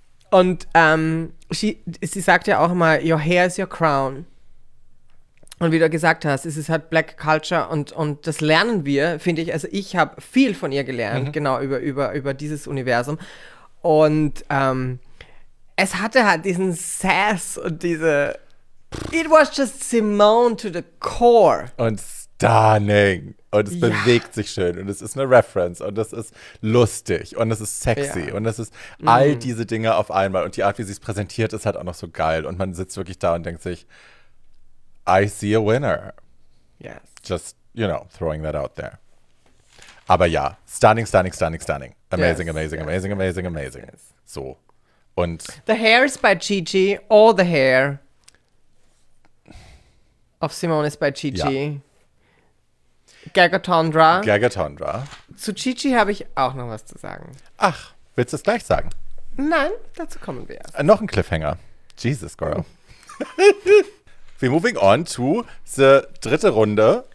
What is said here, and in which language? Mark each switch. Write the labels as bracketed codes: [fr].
[de] Und sie sagt ja auch immer, [en] your hair is your crown. [de] Und wie du gesagt hast, es ist halt Black Culture und das lernen wir, finde ich. Also ich habe viel von ihr gelernt, genau, über dieses Universum. Und es hatte halt diesen Sass und diese... [en] It was just Simone to the core. [de] Und stunning. Und es bewegt sich schön. Und es ist eine Reference. Und es ist lustig. Und es ist sexy. Ja. Und es ist all diese Dinge auf einmal. Und die Art, wie sie es präsentiert, ist halt auch noch so geil. Und man sitzt wirklich da und denkt sich... [en] I see a winner. Yes. Just, you know, throwing that out there. [de] Aber ja, [en] stunning, stunning, stunning, stunning. Amazing, yes, amazing, yes, amazing, yes, amazing, amazing, amazing. Yes. [de] So. Und. [en] The hair is by Gigi. All the hair of Simone is by Gigi. [de] Ja. Gagatondra. Gagatondra. Zu Gigi habe ich auch noch was zu sagen. Ach, willst du es gleich sagen? Nein, dazu kommen wir. Noch ein Cliffhanger. [en] Jesus, girl. We're moving on to the [de] dritte Runde.